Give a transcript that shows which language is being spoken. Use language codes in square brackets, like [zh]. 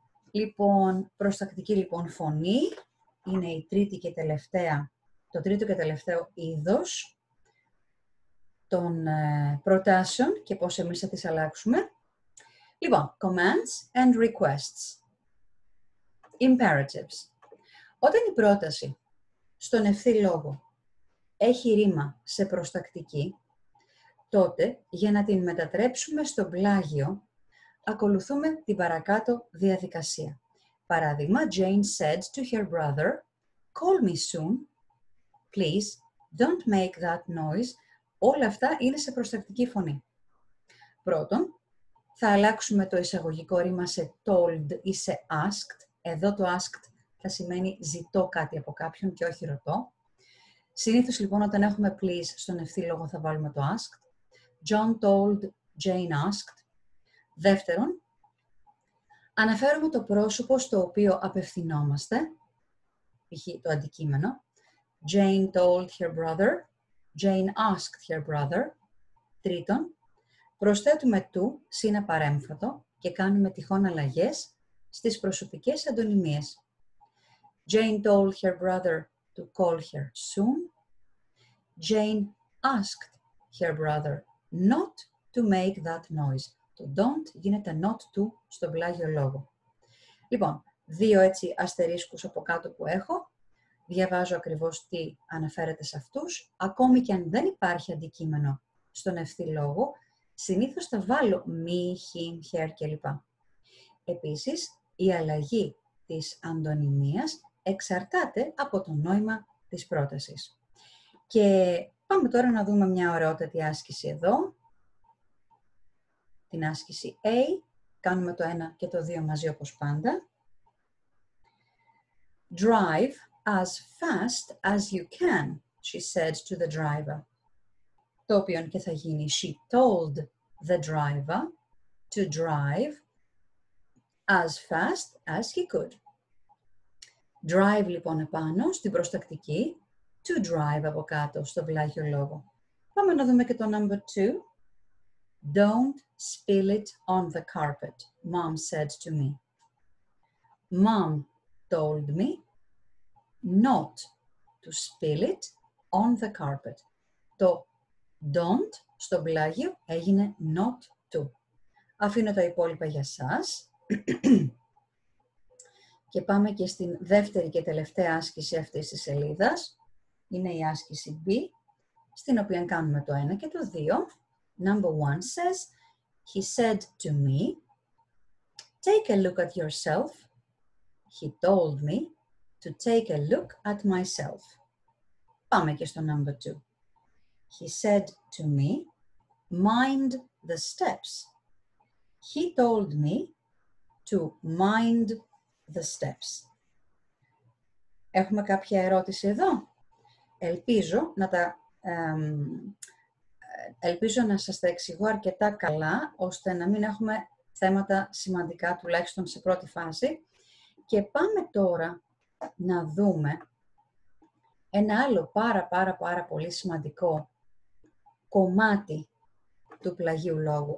[el] Λοιπόν, προσακτική λοιπόν φωνή είναι η τρίτη και τελευταία, το τρίτο και τελευταίο είδος των προτάσεων και πώς εμείς θα τις αλλάξουμε. [en] Λοιπόν, commands and requests. Imperatives. [el] Όταν η πρόταση στον ευθύ λόγο έχει ρήμα σε προστακτική, τότε για να την μετατρέψουμε στο πλάγιο, ακολουθούμε την παρακάτω διαδικασία. [en] Παράδειγμα, Jane said to her brother, call me soon, please, don't make that noise. [el] Όλα αυτά είναι σε προστακτική φωνή. Πρώτον, θα αλλάξουμε το εισαγωγικό ρήμα σε told ή σε asked. Εδώ το asked θα σημαίνει ζητώ κάτι από κάποιον και όχι ρωτώ. Συνήθως λοιπόν όταν έχουμε please στον ευθύ λόγο θα βάλουμε το asked. [en] John told, Jane asked. [el] Δεύτερον, αναφέρουμε το πρόσωπο στο οποίο απευθυνόμαστε, π.χ. το αντικείμενο. [en] Jane told her brother, Jane asked her brother. [el] Τρίτον, προσθέτουμε to σύνα παρέμφατο και κάνουμε τυχόν αλλαγές στις προσωπικές αντωνυμίες. [en] Jane told her brother to call her soon. Jane asked her brother not to make that noise. [el] Το don't γίνεται not to στον πλάγιο λόγο. Λοιπόν, δύο έτσι αστερίσκους από κάτω που έχω. Διαβάζω ακριβώς τι αναφέρεται σε αυτούς. Ακόμη και αν δεν υπάρχει αντικείμενο στον ευθύ λόγο, συνήθως θα βάλω me, him, her κλπ. Επίσης, η αλλαγή της αντωνυμίας εξαρτάται από το νόημα της πρότασης. Και πάμε τώρα να δούμε μια ωραιότατη άσκηση εδώ. Την άσκηση A. Κάνουμε το 1 και το 2 μαζί όπως πάντα. [en] Drive as fast as you can, she said to the driver. [el] Το οποίο και θα γίνει. [en] She told the driver to drive as fast as he could. [el] Drive λοιπόν επάνω στην προστακτική, to drive από κάτω στο πλάγιο λόγο. Πάμε να δούμε και το number two. [en] Don't spill it on the carpet, mom said to me. Mom told me not to spill it on the carpet. [el] Το don't στο πλάγιο έγινε not to. Αφήνω τα υπόλοιπα για σας. Και πάμε και στην δεύτερη και τελευταία άσκηση αυτής της σελίδας. Είναι η άσκηση B, στην οποία κάνουμε το 1 και το 2. [en] Number 1 says, he said to me, take a look at yourself. He told me to take a look at myself. [el] Πάμε και στο number 2. [en] He said to me, mind the steps. He told me to mind the steps. [el] Έχουμε κάποια ερώτηση εδώ. Ελπίζω να τα ελπίζω να σας τα εξηγώ αρκετά καλά, ώστε να μην έχουμε θέματα σημαντικά, τουλάχιστον σε πρώτη φάση. Και πάμε τώρα να δούμε ένα άλλο πάρα πολύ σημαντικό κομμάτι του πλαγίου λόγου.